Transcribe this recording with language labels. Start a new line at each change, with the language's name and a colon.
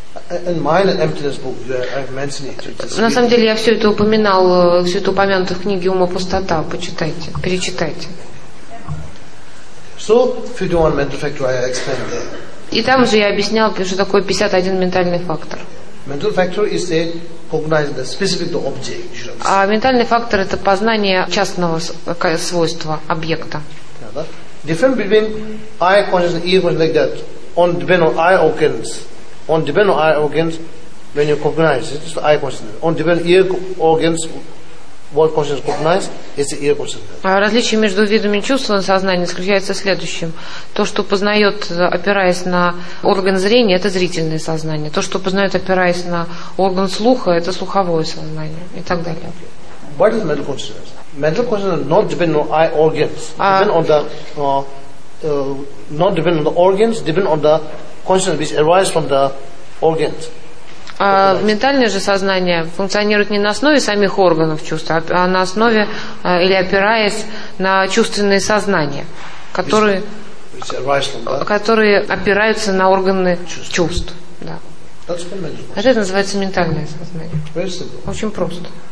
English: And mind and emptiness book, I've mentioned it.
Russian: На самом деле я все это упоминал, все это упомянуто в книге «Ума пустота». Почитайте, перечитайте.
English: So, 51 mental factor I explained there.
Russian: И там же я объяснял, что такое 51 ментальный фактор.
English: Mental factor is the cognizing the specific object.
Russian: А ментальный фактор это познание частного свойства объекта.
English: Difference between eye consciousness and ear consciousness like that. On depend on eye organs when you cognize it, it's the eye consciousness. On depend on ear organs.
Russian: Различие между видами чувства на сознание заключается в следующем. То, что познает, опираясь на орган зрения, это зрительное сознание. То, что познает, опираясь на орган слуха, это слуховое сознание и так далее.
English: What is mental consciousness? Mental consciousness not depend on eye organs. Depend on the consciousness which arises from the organs.
Russian: А ментальное же сознание функционирует не на основе самих органов чувства, а на основе или опираясь на чувственные сознания, которые опираются на органы чувств. Да. Это называется ментальное сознание. Очень просто.